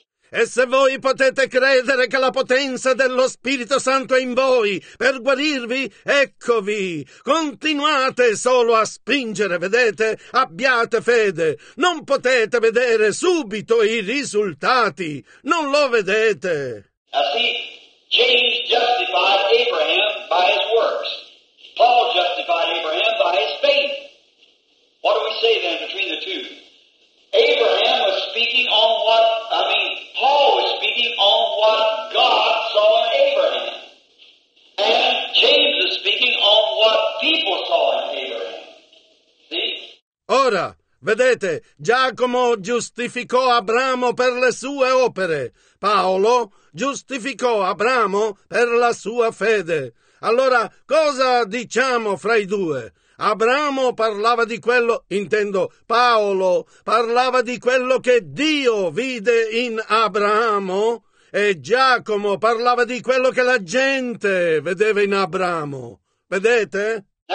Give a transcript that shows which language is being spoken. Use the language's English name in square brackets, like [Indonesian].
[Italian] E se voi potete credere che la potenza dello Spirito Santo è in voi per guarirvi, eccovi. Continuate solo a spingere, vedete? Abbiate fede. Non potete vedere subito i risultati. Non lo vedete. [English] James justified Abraham by his works. Paul justified Abraham by his faith. What do we say then between the two? Abraham was speaking on what, Paul was speaking on what God saw in Abraham. And James is speaking on what people saw in Abraham. See? [Italian] Ora. Vedete, Giacomo giustificò Abramo per le sue opere. Paolo giustificò Abramo per la sua fede. Allora, cosa diciamo fra i due? Abramo parlava di quello, intendo, Paolo parlava di quello che Dio vide in Abramo e Giacomo parlava di quello che la gente vedeva in Abramo. Vedete?